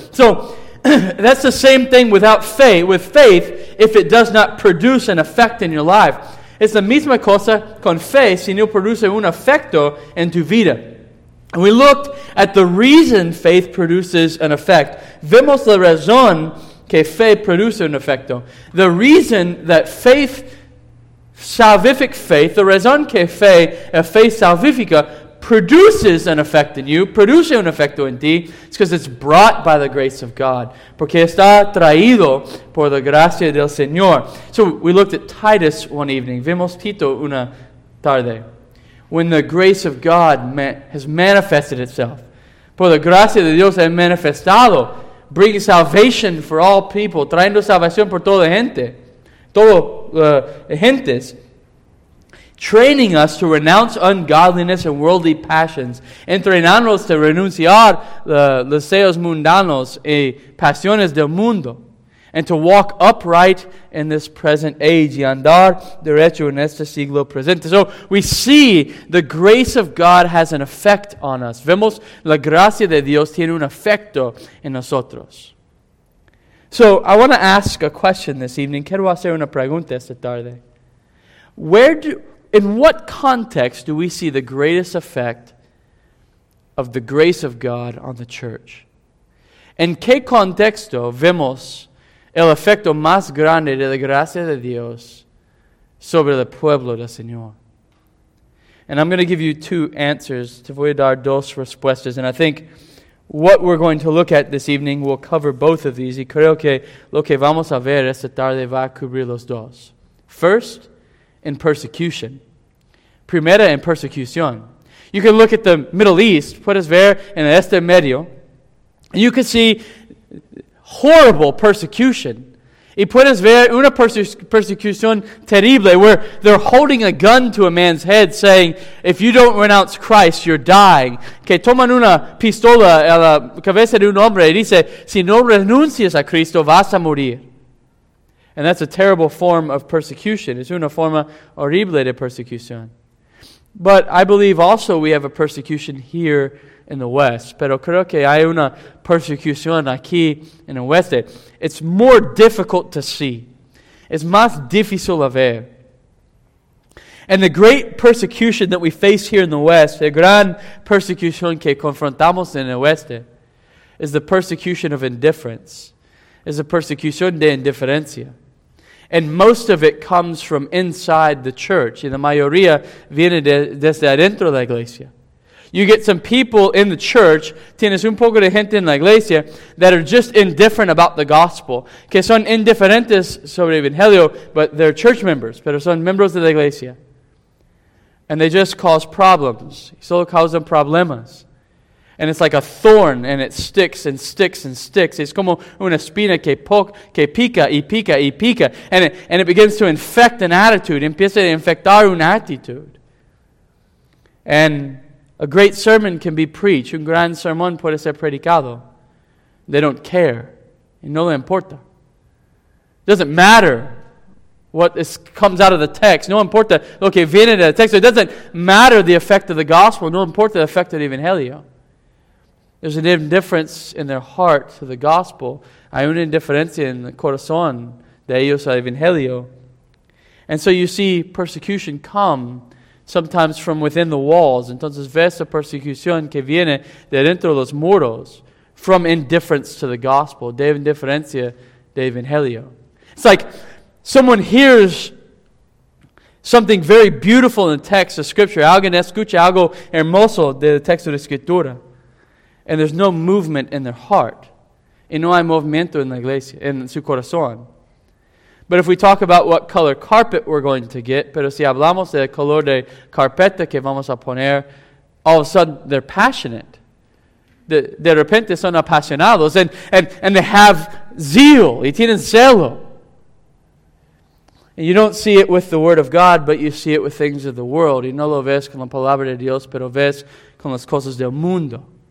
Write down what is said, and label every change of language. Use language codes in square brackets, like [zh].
[en] So that's the same thing without faith. With faith, if it does not produce an effect in your life, [es] es la misma cosa con fe si no produce un efecto en tu vida. [en] And we looked at the reason faith produces an effect. [es] Vemos la razón que fe produce un efecto. [en] The reason that faith, salvific faith, the [es] razón que fe, a fe salvifica, [en] produces an effect in you, [es] produce un efecto en ti, [en] it's because it's brought by the grace of God. [es] Porque está traído por la gracia del Señor. [en] So we looked at Titus one evening. [es] Vimos Tito una tarde. [en] When the grace of God has manifested itself. [es] Por la gracia de Dios ha manifestado. [en] Bring salvation for all people. [es] Traendo salvación por toda la gente. Todo gentes. [en] Training us to renounce ungodliness and worldly passions. [es] Entrenándonos a renunciar los deseos mundanos y pasiones del mundo. [en] And to walk upright in this present age. [es] Y andar derecho en este siglo presente. [en] So we see the grace of God has an effect on us. [es] Vemos la gracia de Dios tiene un efecto en nosotros. [en] So I want to ask a question this evening. [es] Quiero hacer una pregunta esta tarde. [en] In what context do we see the greatest effect of the grace of God on the church? [es] ¿En qué contexto vemos el efecto más grande de la gracia de Dios sobre el pueblo del Señor? [en] And I'm going to give you two answers. [es] Te voy a dar dos respuestas. [en] And I think what we're going to look at this evening will cover both of these. [es] Y creo que lo que vamos a ver esta tarde va a cubrir los dos. [en] First, in persecution. [es] Primera en persecución. [en] You can look at the Middle East, [es] puedes ver en el Este Medio, [en] and you can see horrible persecution. [es] Y puedes ver una persecución terrible [en] where they're holding a gun to a man's head saying, if you don't renounce Christ, you're dying. [es] Que toman una pistola a la cabeza de un hombre y dice, si no renuncias a Cristo, vas a morir. [en] And that's a terrible form of persecution. [es] Es una forma horrible de persecución. [en] But I believe also we have a persecution here in the West. [es] Pero creo que hay una persecución aquí en el Oeste. [en] It's more difficult to see. [es] Es más difícil a ver. [en] And the great persecution that we face here in the West, [es] la gran persecución que confrontamos en el Oeste, [en] is the persecution of indifference. [es] Es la persecución de indiferencia. [en] And most of it comes from inside the church. [es] Y la mayoría viene desde adentro de la iglesia. [en] You get some people in the church, [es] tienes un poco de gente en la iglesia, [en] that are just indifferent about the gospel. [es] Que son indiferentes sobre el evangelio, [en] but they're church members, [es] pero son miembros de la iglesia. [en] And they just cause problems. [es] Solo causan problemas. [en] And it's like a thorn, and it sticks and sticks and sticks. [es] Es como una espina que pica y pica y pica. [en] And it begins to infect an attitude. [es] Empieza a infectar una actitud. [en] And a great sermon can be preached. [es] Un gran sermón puede ser predicado. [en] They don't care. [es] Y no le importa. [en] It doesn't matter what comes out of the text. [es] No importa lo que viene del texto. [en] It doesn't matter the effect of the gospel. [es] No importa [en] the effect of the evangelio. There's an indifference in their heart to the gospel. [es] Hay una indiferencia en el corazón de ellos al evangelio. [en] And so you see persecution come sometimes from within the walls. [es] Entonces ves la persecución que viene de dentro de los muros [en] from indifference to the gospel. [es] De indiferencia de evangelio. [en] It's like someone hears something very beautiful in the text of Scripture. [es] Alguien escucha algo hermoso del texto de Escritura. [en] And there's no movement in their heart. [es] Y no hay movimiento en la iglesia, en su corazón. [en] But if we talk about what color carpet we're going to get, [es] pero si hablamos del color de carpeta que vamos a poner, [en] all of a sudden they're passionate. [es] De repente son apasionados. [en] And they have zeal. [es] Y tienen celo. [en] And you don't see it with the Word of God, but you see it with things of the world. [es] Y no lo ves con la palabra de Dios, pero ves con las cosas del mundo.